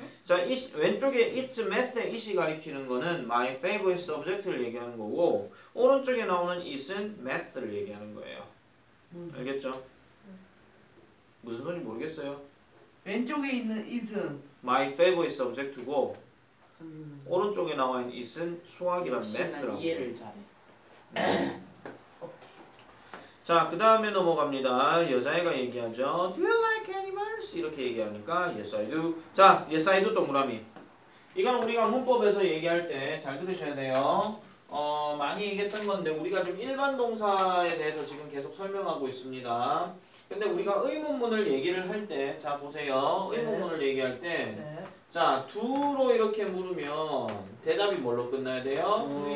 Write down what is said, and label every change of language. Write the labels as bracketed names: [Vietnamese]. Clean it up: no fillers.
[Korean] 자, 왼쪽에 [English] it's math [Korean] 에 it이 가리키는 거는 [English] my favorite subject [Korean] 를 얘기하는 거고 오른쪽에 나오는 it은 math를 얘기하는 거예요. 알겠죠? 무슨 소리인지 모르겠어요. 왼쪽에 있는 it은 my favorite subject고 오른쪽에 나와 있는 it은 수학이란 math라고. 이해를 잘해. 자, 그 다음에 넘어갑니다. 여자애가 얘기하죠. [English] Do you like animals? [Korean] 이렇게 얘기하니까 [English] Yes, I do. 자, Yes, I do [Korean] 동그라미. 이건 우리가 문법에서 얘기할 때 잘 들으셔야 돼요. 많이 얘기했던 건데 우리가 지금 일반 동사에 대해서 지금 계속 설명하고 있습니다. 근데 우리가 의문문을 얘기를 할 때 자, 보세요. 의문문을 얘기할 때 자, do로 이렇게 물으면 대답이 뭘로 끝나야 돼요?